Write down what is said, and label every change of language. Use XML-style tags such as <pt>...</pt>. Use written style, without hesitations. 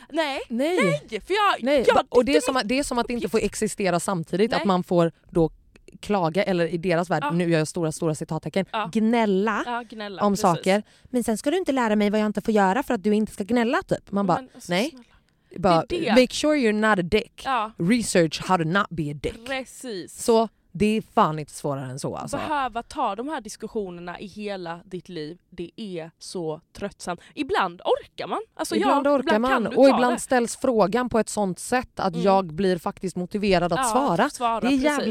<sv>Nej. Nej, nej för jag nej. Jag, och det är som att det inte får existera samtidigt att man får då klaga eller i deras värld, nu gör jag stora citattecken, gnälla om precis. Saker. Men sen ska du inte lära mig vad jag inte får göra för att du inte ska gnälla typ. Man bara, nej. Det.</sv> <en>Make sure you're not a dick.</en> <sv>Ja.</sv> <en>Research how to not be a dick.</en> <sv>Precis. Så det är fan inte svårare än så. Alltså. Behöva ta de här diskussionerna i hela ditt liv. Det är så tröttsamt. Ibland orkar man. Alltså, ibland ja, orkar ibland man. Och ibland det. Ställs frågan på ett sånt sätt att jag blir faktiskt motiverad att svara. Att svara. Det är jävligt</sv>